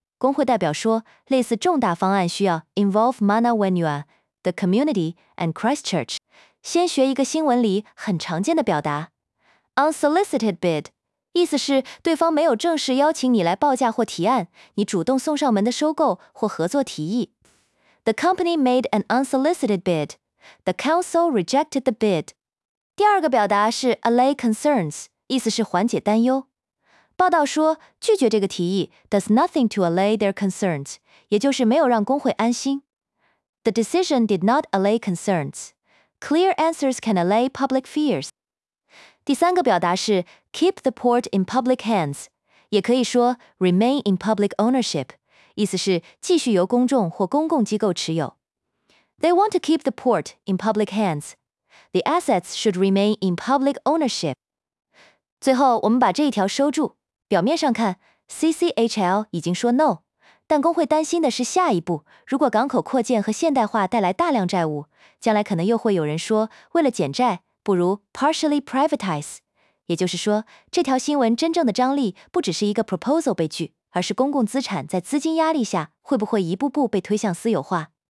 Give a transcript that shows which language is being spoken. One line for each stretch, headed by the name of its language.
Chinese: 工会代表说，类似重大方案需要
English: involve Mana Wenua。 The community and Christchurch，
Chinese: 先学一个新闻里很常见的表达
English: unsolicited bid，
Chinese: 意思是对方没有正式邀请你来报价或提案，你主动送上门的收购或合作提议。
English: The company made an unsolicited bid， The council rejected the bid。
Chinese: 第二个表达是
English: allay concerns，
Chinese: 意思是缓解担忧。报道说拒绝这个提议
English: does nothing to allay their concerns，
Chinese: 也就是没有让工会安心。
English: The decision did not allay concerns. Clear answers can allay public fears.
Chinese: 第三个表达是
English: keep the port in public hands，
Chinese: 也可以说
English: remain in public ownership，
Chinese: 意思是继续由公众或公共机构持有。
English: They want to keep the port in public hands. The assets should remain in public ownership.
Chinese: 最后，我们把这一条收住。表面上看 ，CCHL 已经说 no。但工会担心的是下一步，如果港口扩建和现代化带来大量债务，将来可能又会有人说，为了减债，不如
English: partially privatize。
Chinese: 也就是说，这条新闻真正的张力不只是一个 proposal 被拒，而是公共资产在资金压力下会不会一步步被推向私有化。